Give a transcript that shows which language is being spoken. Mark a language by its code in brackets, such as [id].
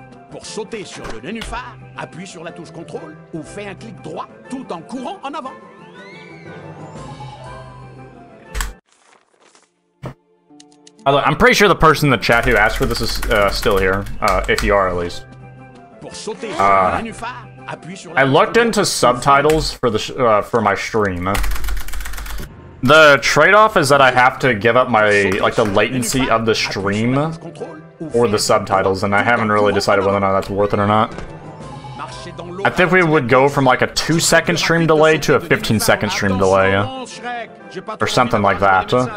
[fr] Pour sauter sur le nénuphar, appuie sur la touche contrôle ou fais un clic droit tout en courant en avant. [en] Although, I'm pretty sure the person in the chat who asked for this is still here, if you are at least. [fr] Pour sauter sur le nénuphar, appuie sur la... [en] I looked into subtitles for the for my stream. The trade-off is that I have to give up my, like, the latency of the stream or the subtitles, and I haven't really decided whether or not that's worth it or not. I think we would go from, like, a 2-second stream delay to a 15-second stream delay, or something like that.